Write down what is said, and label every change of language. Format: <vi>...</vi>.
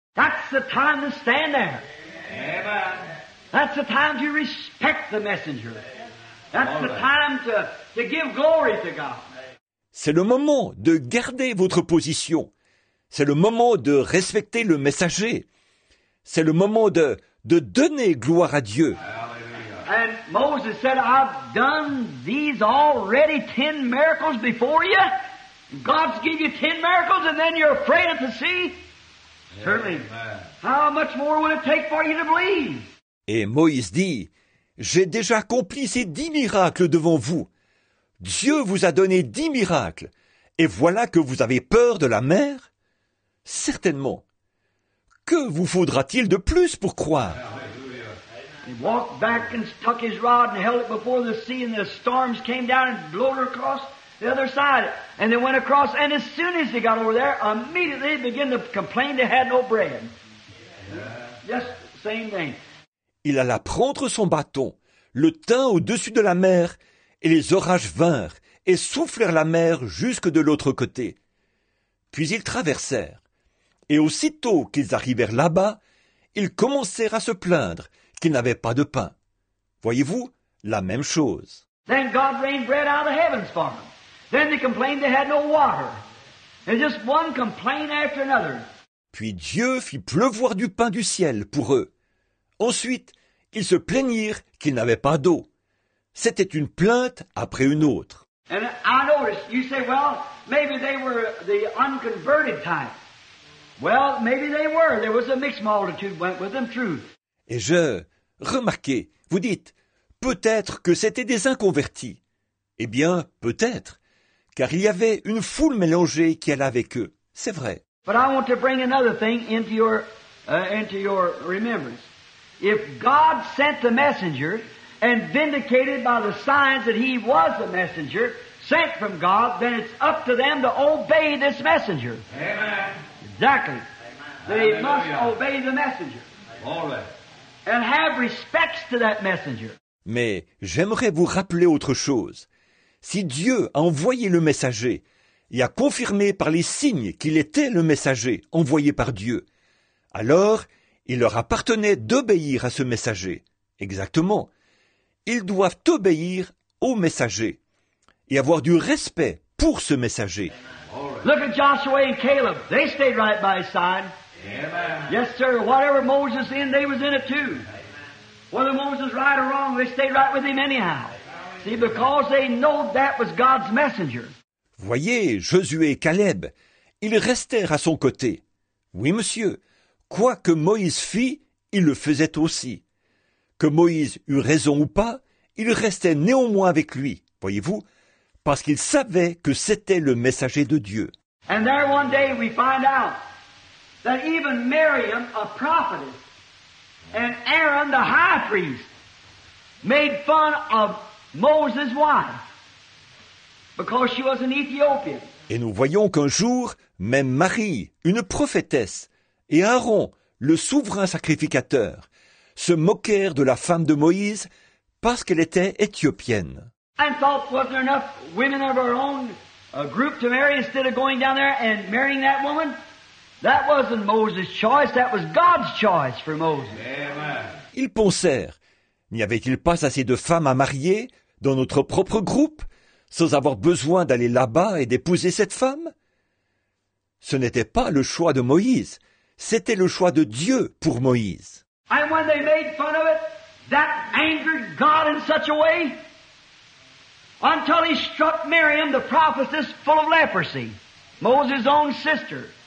<en>That's the time to stand there. Amen. That's the time to respect the messenger. That's the time to give glory to God.</en> <fr>C'est le moment de garder votre position. C'est le moment de respecter le messager. C'est le moment de donner gloire à Dieu.</fr> <en>Hallelujah. And Moses said, I've done these already 10 miracles before you. God's given you 10 miracles and then you're afraid of the sea. Yeah, certainly. Man. How much more will it take for you to believe?</en> <fr>Et Moïse dit, j'ai déjà accompli ces 10 miracles devant vous. Dieu vous a donné 10 miracles. Et voilà que vous avez peur de la mer? Certainement. Que vous faudra-t-il de plus pour croire?</fr> <en>He walked back and stuck his rod and held it before the sea and the storms came down and blew across the other side. And they went across and as soon as they got over there, immediately they began to complain they had no bread. Just same thing.</en> <fr>Il alla prendre son bâton, le tint au-dessus de la mer, et les orages vinrent et soufflèrent la mer jusque de l'autre côté. Puis ils traversèrent, et aussitôt qu'ils arrivèrent là-bas, ils commencèrent à se plaindre qu'ils n'avaient pas de pain. Voyez-vous, la même chose.</fr> <en>Then God rained bread out of the heavens for them. Then they complained they had no water. And just one complaint after another.</en> <fr>Puis Dieu fit pleuvoir du pain du ciel pour eux. Ensuite, ils se plaignirent qu'ils n'avaient pas d'eau. C'était une plainte après une autre.</fr> <en>And I noticed, you say, well, maybe they were the unconverted type. Well, maybe they were. There was a mixed multitude went with them, true.</en> <fr>Et je remarquez, vous dites, peut-être que c'était des inconvertis. Eh bien, peut-être, car il y avait une foule mélangée qui allait avec eux. C'est vrai.</fr> <en>But I want to bring another thing into your remembrance. If God sent the messenger and vindicated by the signs that he was the messenger, sent from God, then it's up to them to obey this messenger. Amen. Exactly. Amen. They must obey the messenger. All right. And have respects to that messenger.</en> <fr>Mais j'aimerais vous rappeler autre chose. Si Dieu a envoyé le messager et a confirmé par les signes qu'il était le messager envoyé par Dieu, alors il leur appartenait d'obéir à ce messager. Exactement. Ils doivent obéir au messager et avoir du respect pour ce messager.</fr> <en>Look at Joshua and Caleb. They stayed right by his side. Amen. Yes, sir. Whatever Moses in, they was in it too. Whether Moses right or wrong, they stayed right with him anyhow. See, because they know that was God's messenger.</en> <fr>Voyez, Josué et Caleb, ils restèrent à son côté. Oui, monsieur, quoi que Moïse fît, il le faisait aussi. Que Moïse eut raison ou pas, il restait néanmoins avec lui, voyez-vous, parce qu'il savait que c'était le messager de Dieu.</fr> <en>And there one day we find out that even Miriam, a prophetess, and Aaron, the high priest, made fun of Moses' wife. Because she was an Ethiopian.</en> <fr>Et nous voyons qu'un jour, même Marie, une prophétesse, et Aaron, le souverain sacrificateur, se moquèrent de la femme de Moïse parce qu'elle était éthiopienne.</fr> <en>And thought, wasn't there enough women of our own group to marry instead of going down there and marrying that woman? That wasn't Moses' choice, that was God's choice for Moses. Amen.</en> <fr>Ils pensèrent, n'y avait-il pas assez de femmes à marier dans notre propre groupe? Sans avoir besoin d'aller là-bas et d'épouser cette femme? Ce n'était pas le choix de Moïse, c'était le choix de Dieu pour Moïse.</fr> <en>And when they made fun of it, that angered God in such a way, until he struck Miriam, the prophetess, full of leprosy, Moses' own sister.</en>